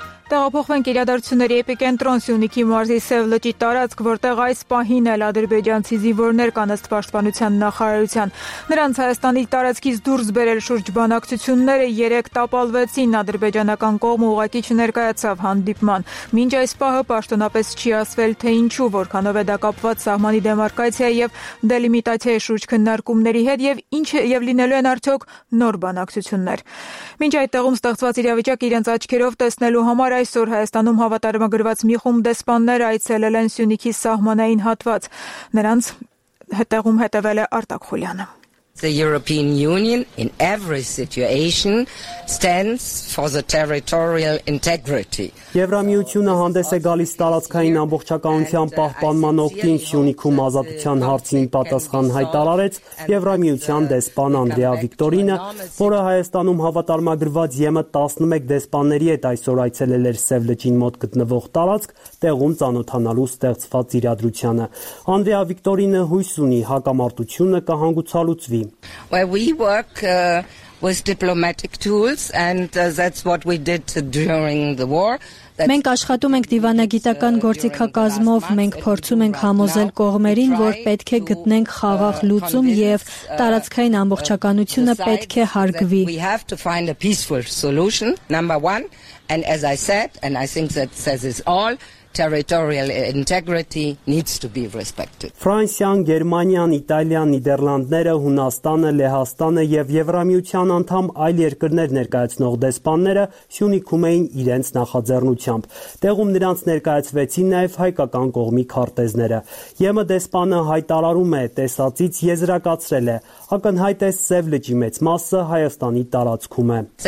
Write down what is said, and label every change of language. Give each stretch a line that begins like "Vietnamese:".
Armenian: Տեղափոխվենք իրադարձությունների էպիկենտրոն Սյունիքի մարզի Սև լճի տարածք, որտեղ այս պահին էլ ադրբեջանցի զինվորներ կան ըստ պաշտպանության նախարարության։ Նրանց Հայաստանի տարածքից դուրս բերել շուրջ բանակցությունները 3 տապալվեցին, ադրբեջանական կողմը ուղղակի չներկայացավ հանդիպման։ Մինչ այս պահը պաշտոնապես չի ասվել, թե ինչու, որքանով է դակապված սահմանի դեմարկացիայի և դելիմիտացիայի շուրջ քննարկումների հետ և ինչ և լինելու են արդյոք նոր բանակցություններ։ Մինչ այդ տեղում ստեղծված իրավիճակ իրենց աչքերով տեսնելու համար այսօր Հայաստանում հավատարմագրված մի խումբ դեսպաններ այցելել են Սյունիքի սահմանային հատված, նրանց հետեղում հետևել է Արտակ Խուլյանը։
English: The European Union in every situation stands for the territorial integrity.
Armenian: Եվրամիությունը հանդես է գալիս տարածքային ամբողջականության պահպանման օգտին, Սյունիքում ազատության հարցին պատասխան հայտարարեց Եվրամիության դեսպան Անդրեա Վիկտորինը, որը Հայաստանում հավատարմագրված ԵՄ-11 դեսպանների հետ այսօր այցելել էր Սև լճին մոտ գտնվող տարածք, տեղում ծանոթանալու ստեղծված իրադրությանը։ Անդրեա Վիկտորինը հույս ունի, հակամարտությունը կհանգուցալուցվի։
English: Well, we work with diplomatic tools, and that's what we did during the war.
Armenian: Մենք աշխատում ենք դիվանագիտական գործիքակազմով, մենք փորձում ենք համոզել կողմերին, որ պետք է գտնենք խաղաղ լուծում եւ տարածքային ամբողջականությունը պետք է հարգվի։
English: Territorial integrity needs to be respected.
Armenian: Ֆրանսիան, Գերմանիան, Իտալիան, Նիդերլանդները, Հունաստանը, Լեհաստանը եւ Եվրամիության անդամ այլ երկրներ ներկայացնող դեսպանները Սյունիքում էին իրենց նախաձեռնությամբ։ Տեղում նրանց ներկայացվեցին նաեւ հայկական կողմի քարտեզները։ ԵՄ-ի դեսպանը հայտարարում է, տեսածից եզրակացրել է, ակնհայտ է Սև լճի մեծ մասը Հայաստանի տարածքում է։